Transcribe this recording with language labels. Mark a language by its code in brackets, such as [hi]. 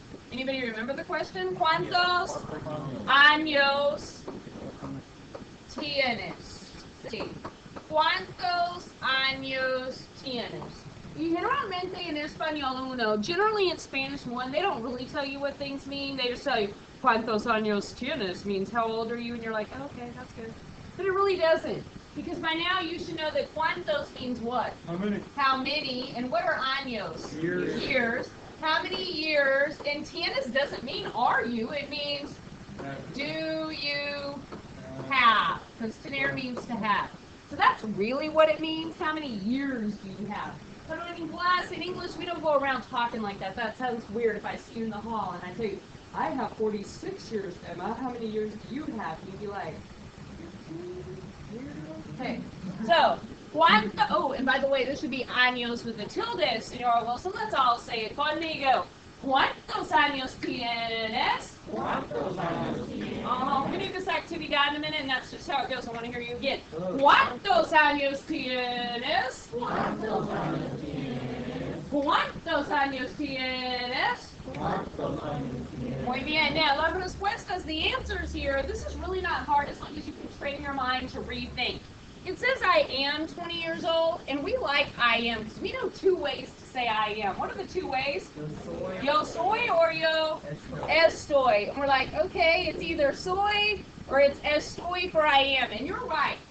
[en] Anybody remember the question? [es] Cuántos años tienes? Cuántos años tienes? [en] Generalmente in Espanol Uno, generally in Spanish One, they don't really tell you what things mean. They just tell you, [es] ¿cuántos años tienes? [en] Means how old are you? And you're like, oh, okay, that's good. But it really doesn't. Because by now you should know that ¿cuántos means what? How many. How many. And what are años? Years. Years. How many years. And tienes doesn't mean are you. It means do you have. Because tener means to have. So that's really what it means. How many years do you have? But I mean, plus, in English, we don't go around talking like that. That sounds weird if I see you in the hall and I tell you, I have 46 years, Emma. How many years do you have? You'd be like, okay. So, oh, and by the way, this should be años with a tilde, Senora Wilson. Let's all say it conmigo. [es] ¿Cuántos años tienes? ¿Cuántos años tienes? We need this activity down in a minute, and that's just how it goes. I want to hear you again. ¿Cuántos años tienes? ¿Cuántos años tienes? ¿Cuántos años tienes? ¿Cuántos años tienes? Muy bien. [en] Now, la respuesta is the answers here. This is really not hard as long as you can train your mind to rethink. It says I am 20 years old, and we like I am because we know two ways to say I am. What are the two ways? [es] Yo soy or yo estoy. [en] And we're like, okay, it's either soy or it's estoy for I am. And you're right.